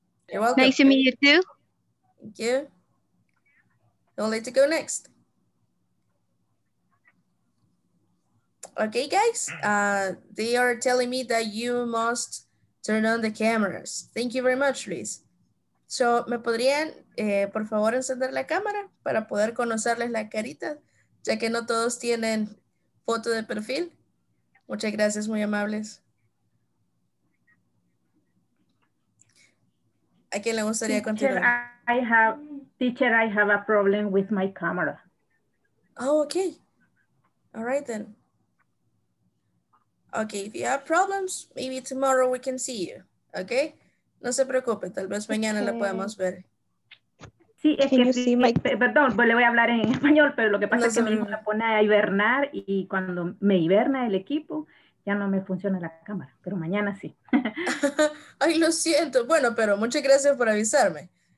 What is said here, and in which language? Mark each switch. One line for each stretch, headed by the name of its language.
English: You're welcome. Nice to meet you too. Thank you. Who would like to go next? Okay, guys, they are telling me that you must turn on the cameras. Thank you very much, Luis.
Spanish: So, ¿me podrían, por favor, encender la cámara para poder conocerles la carita, ya que no todos tienen foto de perfil? Muchas gracias, muy amables. ¿A quién le gustaría
English: teacher,
Spanish: continuar?
English: I have a problem with my camera. Oh, okay. All right, then. Okay, if you have problems, maybe tomorrow we can see you. Okay?
Spanish: No se preocupe, tal vez mañana okay. la podemos ver. Sí, es que, perdón, pues le voy a hablar en español, pero lo que pasa es que me pone a hibernar y cuando me hiberna el equipo, ya no me funciona la cámara, pero mañana sí. Ay, lo siento. Bueno, pero muchas gracias por avisarme.